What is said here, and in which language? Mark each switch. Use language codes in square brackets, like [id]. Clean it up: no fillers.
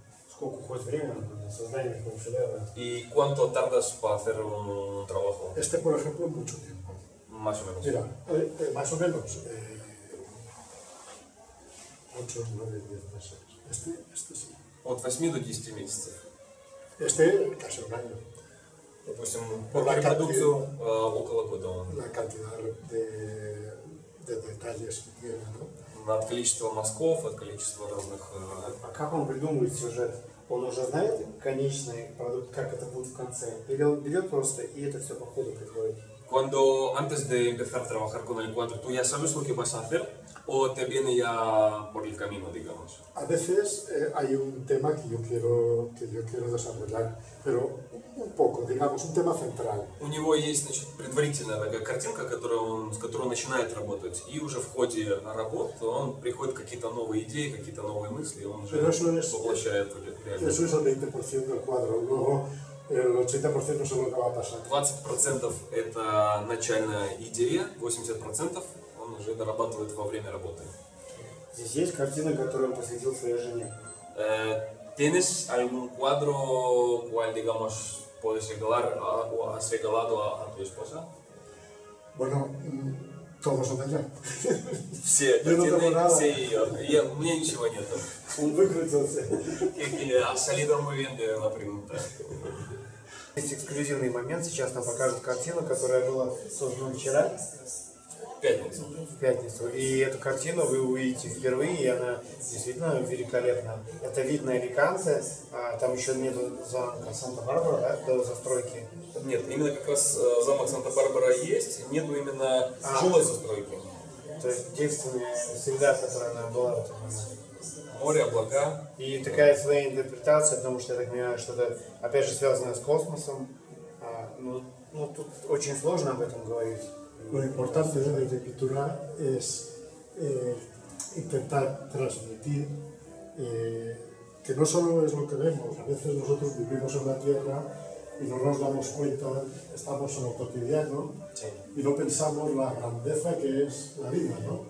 [ru] Сколько уходит времени на создание такого шедевра? [es] И cuánto tardas para hacer un trabajo? Este, por ejemplo, mucho tiempo. Más o menos. Mira, más o menos. 8, 9, 10 meses. Este sí. [ru] От 8 до 10 месяцев. [es] Este casi un año. [ru] Допустим, [es] por la reproducción, [ru] около года. [es] La cantidad de detalles que tiene, ¿no? [ru] От количества мазков, от количества разных... А как он придумывает сюжет? Он уже знает конечный продукт, как это будет в конце? Или он берет просто и это все по ходу приходит? [es] Cuando antes de empezar a trabajar con el cuadro, ¿tú ya sabes lo que vas a hacer? ¿O te viene ya por el camino, digamos? A veces hay un tema que yo quiero desarrollar, pero un poco, digamos, un tema central. [ru] У него есть, значит, предварительная такая картинка, с которой он начинает работать, и уже в ходе работ он приходит какие-то новые идеи, какие-то новые мысли, он уже воплощает в реальность. [es] Eso es el 20% del cuadro, luego... 80% se lo acaba pasando. [ru] 20% это начальная идея, 80% он уже дорабатывает во время работы. Здесь есть картина, которую он посвятил своей жене. [es] ¿Tienes algún cuadro cual, digamos, puedes regalar o has regalado a tu esposa? Bueno, todos son de allá. [ru] Все, [es] yo no tengo nada. [ru] Все ее. Я, у меня ничего нет. Он выкрутился. Абсолютно мувенде, например. Есть эксклюзивный момент. Сейчас нам покажут картину, которая была создана вчера. В пятницу. И эту картину вы увидите впервые, и она действительно великолепна. Это видно Аликанте, а там еще нету замка Санта-Барбара, да, до застройки. Нет, именно как раз замок Санта-Барбара есть, нету именно жилой застройки. То есть девственная среда, которая она была в этом момент. Море, облака. И такая своя интерпретация, потому что я так понимаю, что-то опять же связанное с космосом. Ну тут очень сложно об этом говорить. [es] Lo importante de la arquitectura es intentar transmitir que no solo es lo que vemos, a veces nosotros vivimos en la Tierra y no nos damos cuenta, estamos en lo cotidiano y no pensamos la grandeza que es la vida, ¿no?